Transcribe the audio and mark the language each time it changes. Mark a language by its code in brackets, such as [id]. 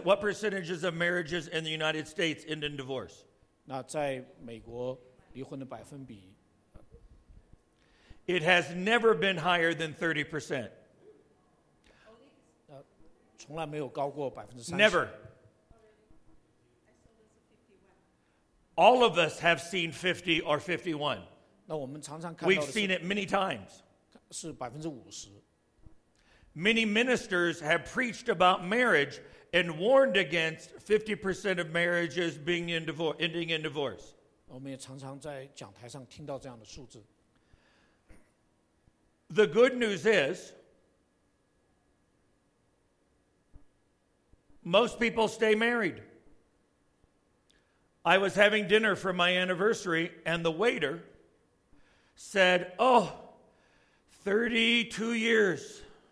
[en] What percentages of marriages in the United States end in divorce? [zh] 那在美国离婚的百分比 [en] It has never been higher than 30%. [zh] 从来没有高过30%. [en] Never. All of us have seen 50 or 51. [zh] 那我们常常看到的是 [en] We've seen it many times. [zh] 是50%. [en] Many ministers have preached about marriageAnd warned against 50% of marriages being in divorce, ending in divorce. [zh] 我们也常常在讲台上听到这样的数字。 [en] The good news is, most people stay married. I was having dinner for my anniversary, and the waiter said, "Oh, 32 years.